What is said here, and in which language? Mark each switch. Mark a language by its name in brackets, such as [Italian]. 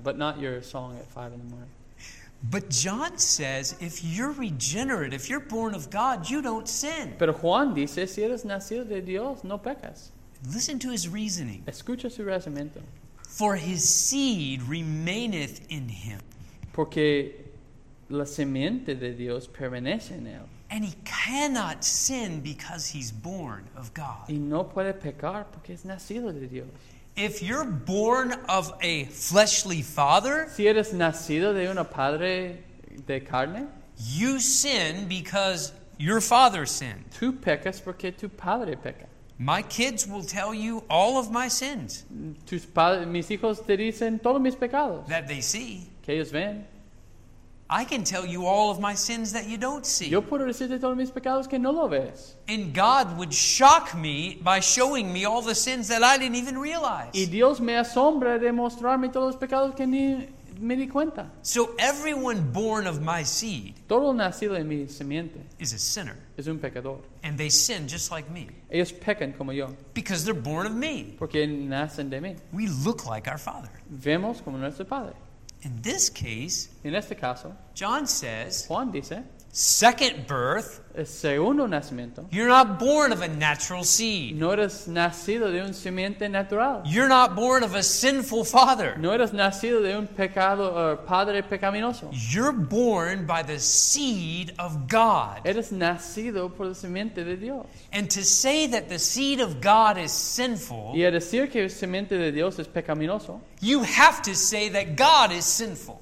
[English] But not your song at 5 in the morning. But John says, if you're regenerate, if you're born of God, you don't sin. [Spanish] Pero Juan dice, si eres nacido de Dios, no pecas. [English] Listen to his reasoning. [Spanish] Escucha su razonamiento. [English] For his seed remaineth in him. [Spanish] Porque la semiente de Dios permanece en él. [English] And he cannot sin because he's born of God. [Spanish] Y no puede pecar porque es nacido de Dios. [English] If you're born of a fleshly father, [Spanish] si eres nacido de un padre de carne, [English] you sin because your father sinned. [Spanish] Tú pecas porque tu padre peca. [English] My kids will tell you all of my sins. [Spanish] Tus padres, mis hijos te dicen todos mis pecados. [English] That they see. [Spanish] Que ellos ven. [English] I can tell you all of my sins that you don't see. [Spanish] Yo puedo decirte todos mis pecados que no lo ves. [English] And God would shock me by showing me all the sins that I didn't even realize. [Spanish] Y Dios me asombra de mostrarme todos los pecados que me di cuenta. [English] So everyone born of my seed, [Spanish] todo nacido en mi simiente, [English] is a sinner. [Spanish] Es un pecador. [English] And they sin just like me. [Spanish] Ellos pecan como yo. [English] Because they're born of me. [Spanish] Porque nacen de mí. [English] We look like our father. [Spanish] Vemos como nuestro padre. [English] In this case, [Spanish] en este caso, [English] John says, [Spanish] Juan dice, [English] second birth, [Spanish] el segundo nacimiento, [English] you're not born of a natural seed. [Spanish] No eres nacido de un simiente natural. [English] You're not born of a sinful father. [Spanish] No eres nacido de un pecado o padre pecaminoso. [English] You're born by the seed of God. [Spanish] Eres nacido por la simiente de Dios. [English] And to say that the seed of God is sinful, [Spanish] y a decir que la simiente de Dios es pecaminoso, [English] you have to say that God is sinful.